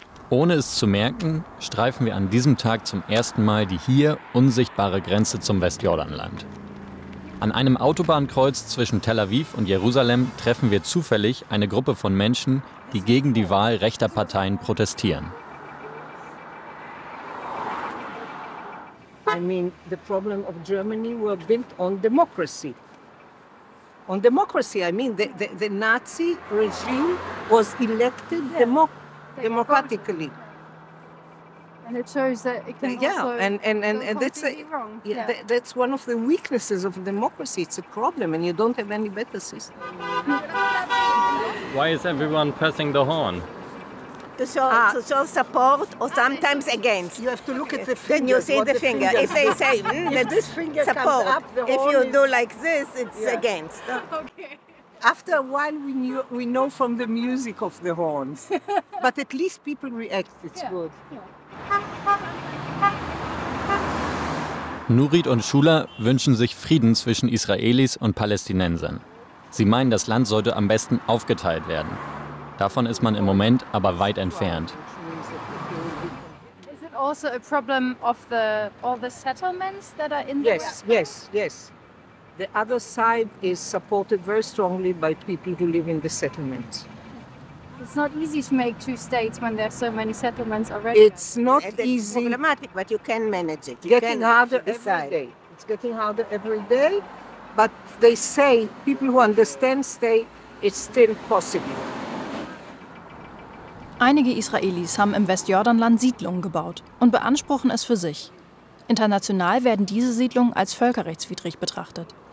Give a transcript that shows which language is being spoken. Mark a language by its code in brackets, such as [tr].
[de] Ohne es zu merken, streifen wir an diesem Tag zum ersten Mal die hier unsichtbare Grenze zum Westjordanland. An einem Autobahnkreuz zwischen Tel Aviv und Jerusalem treffen wir zufällig eine Gruppe von Menschen, die gegen die Wahl rechter Parteien protestieren. [en] I mean, the problem of Germany were built on democracy. On democracy, I mean, the Nazi regime was elected democratically. And it shows that it can that's one of the weaknesses of democracy. It's a problem, and you don't have any better system. Why is everyone passing the horn? To show support or sometimes against. You have to look at the finger. Then you see the finger. If they say, this finger support, comes up, the horn if you is... do like this, it's against. Okay. After a while, we know from the music of the horns. But at least people react. It's good. Yeah. [de] Nurit und Shula wünschen sich Frieden zwischen Israelis und Palästinensern. Sie meinen, das Land sollte am besten aufgeteilt werden. Davon ist man im Moment aber weit entfernt. [en] Is it also a problem of all the settlements that are in there? Yes. The other side is supported very strongly by people who live in the settlements. It's not easy to make two states when there are so many settlements already. It's not easy. It's problematic, but you can manage it. It's getting harder every day. But they say people who understand say it's still possible. [de] Einige Israelis haben im Westjordanland Siedlungen gebaut und beanspruchen es für sich. International werden diese Siedlungen als völkerrechtswidrig betrachtet.